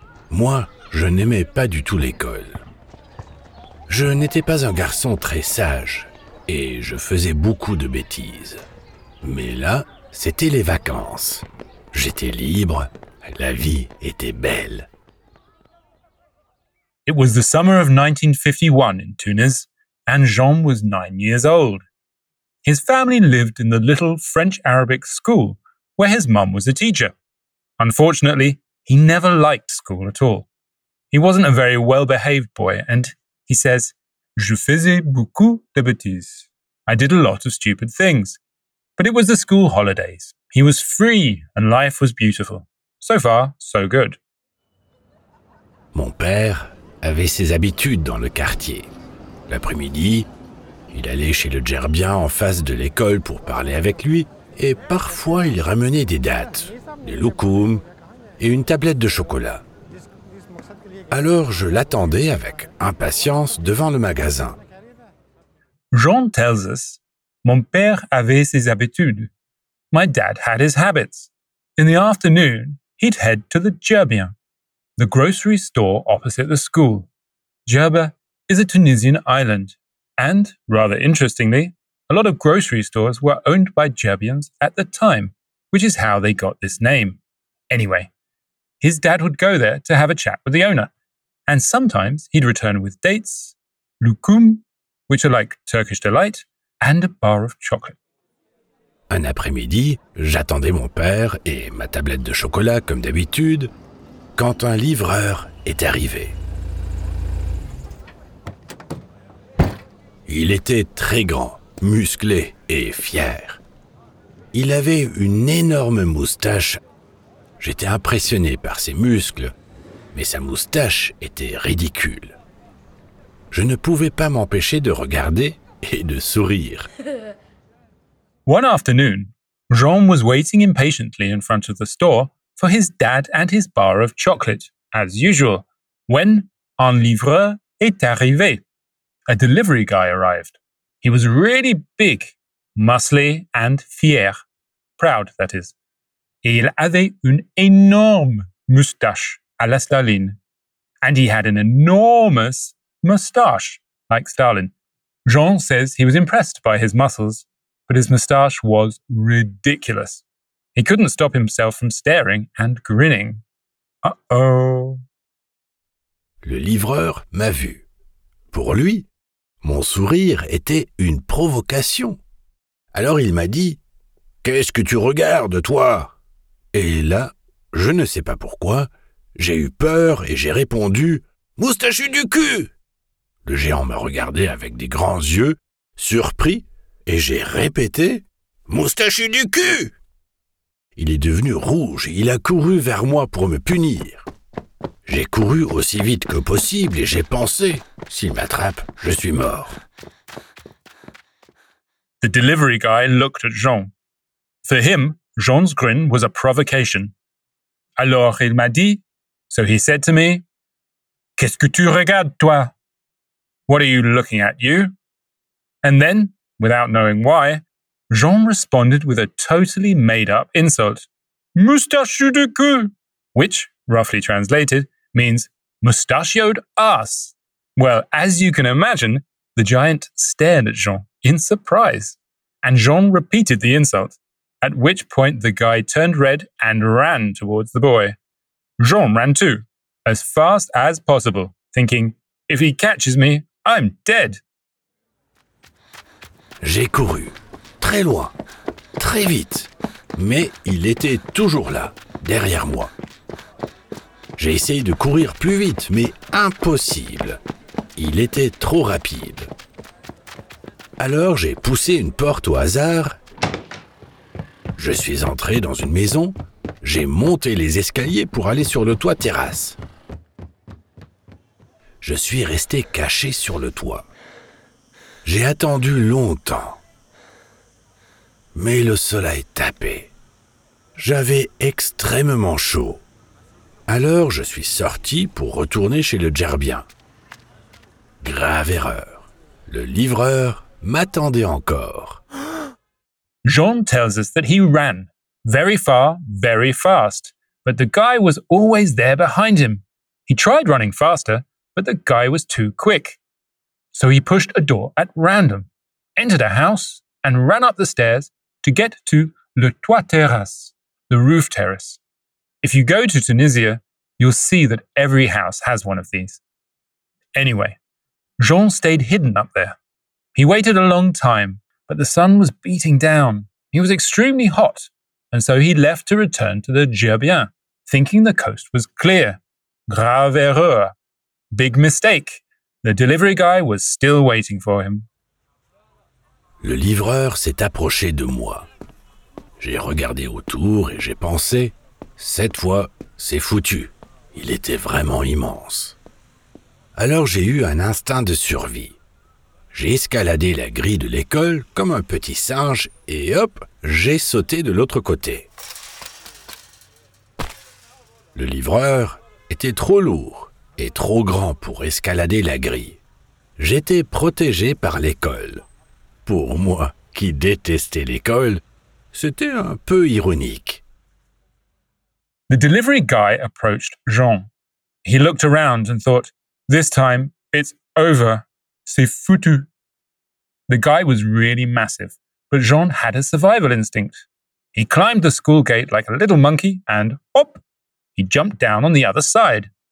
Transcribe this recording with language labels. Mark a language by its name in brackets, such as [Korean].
[French] Moi, je n'aimais pas du tout l'école. Je n'étais pas un garçon très sage et je faisais beaucoup de bêtises. Mais là, c'était les vacances. J'étais libre, la vie était belle. [English] It was the summer of 1951 in Tunis, and Jean was 9 years old. His family lived in the little French-Arabic school where his mum was a teacher. Unfortunately, he never liked school at all. He wasn't a very well-behaved boy, and he says, [French] "Je faisais beaucoup de bêtises." [English] I did a lot of stupid things. But it was the school holidays. He was free and life was beautiful. So far, so good. [French] Mon père avait ses habitudes dans le quartier. L'après-midi, il allait chez le gerbien en face de l'école pour parler avec lui et parfois il ramenait des dattes, des loukoums et une tablette de chocolat. Alors je l'attendais avec impatience devant le magasin. [English] Jean tells us, [French] mon père avait ses habitudes. [English] My dad had his habits. In the afternoon, he'd head to the gerbien, the grocery store opposite the school. Djerba is a Tunisian island, and, rather interestingly, a lot of grocery stores were owned by Djerbians at the time, which is how they got this name. Anyway, his dad would go there to have a chat with the owner, and sometimes he'd return with dates, loukoum, which are like Turkish delight, and a bar of chocolate. [French] Un après-midi, j'attendais mon père et ma tablette de chocolat comme d'habitude, quand un livreur est arrivé. Il était très grand, musclé et fier. Il avait une énorme moustache. J'étais impressionné par ses muscles, mais sa moustache était ridicule. Je ne pouvais pas m'empêcher de regarder et de sourire. [English] One afternoon, Jean was waiting impatiently in front of the store for his dad and his bar of chocolate, as usual, when [French] un livreur est arrivé. [English] A delivery guy arrived. He was really big, muscly and fier. Proud, that is. [French] Il avait une énorme moustache à la Stalin. [English] And he had an enormous moustache, like Stalin. Jean says he was impressed by his muscles, but his moustache was ridiculous. He couldn't stop himself from staring and grinning. Uh-oh. [French] Le livreur m'a vu. Pour lui, mon sourire était une provocation. Alors il m'a dit « Qu'est-ce que tu regardes, toi ?» Et là, je ne sais pas pourquoi, j'ai eu peur et j'ai répondu « Moustachu du cul !» Le géant m'a regardé avec des grands yeux, surpris, et j'ai répété « Moustachu du cul !» Il est devenu rouge et il a couru vers moi pour me punir. J'ai couru aussi vite que possible et j'ai pensé « S'il m'attrape, je suis mort. » [English] The delivery guy looked at Jean. For him, Jean's grin was a provocation. [French] Alors il m'a dit, [English] so he said to me, [French] Qu'est-ce que tu regardes, toi? [English] What are you looking at, you? And then, without knowing why, Jean responded with a totally made-up insult. [French] Moustachu de queue! [English] Which, roughly translated, means mustachioed ass. Well, as you can imagine, the giant stared at Jean in surprise, and Jean repeated the insult, at which point the guy turned red and ran towards the boy. Jean ran too, as fast as possible, thinking, if he catches me, I'm dead. [French] J'ai couru, très loin, très vite, mais il était toujours là, derrière moi. J'ai essayé de courir plus vite, mais impossible. Il était trop rapide. Alors j'ai poussé une porte au hasard. Je suis entré dans une maison. J'ai monté les escaliers pour aller sur le toit terrasse. Je suis resté caché sur le toit. J'ai attendu longtemps. Mais le soleil tapait. J'avais extrêmement chaud. Alors je suis sorti pour retourner chez le gerbien. Grave erreur. Le livreur m'attendait encore. [English] Jean tells us that he ran very far, very fast, but the guy was always there behind him. He tried running faster, but the guy was too quick. So he pushed a door at random, entered a house, and ran up the stairs to get to [French] le toit terrasse, [English] the roof terrace. If you go to Tunisia, you'll see that every house has one of these. Anyway, Jean stayed hidden up there. He waited a long time, but the sun was beating down. He was extremely hot, and so he left to return to the gerbien, thinking the coast was clear. [French] Grave erreur. [English] Big mistake. The delivery guy was still waiting for him. [French] Le livreur s'est approché de moi. J'ai regardé autour et j'ai pensé, cette fois, c'est foutu. Il était vraiment immense. Alors j'ai eu un instinct de survie. J'ai escaladé la grille de l'école comme un petit singe et hop, j'ai sauté de l'autre côté. Le livreur était trop lourd et trop grand pour escalader la grille. J'étais protégé par l'école. Pour moi, qui détestais l'école, c'était un peu ironique. [English] The delivery guy approached Jean. He looked around and thought, this time, it's over. [French] C'est foutu. [English] The guy was really massive, but Jean had a survival instinct. He climbed the school gate like a little monkey and, hop, he jumped down on the other side.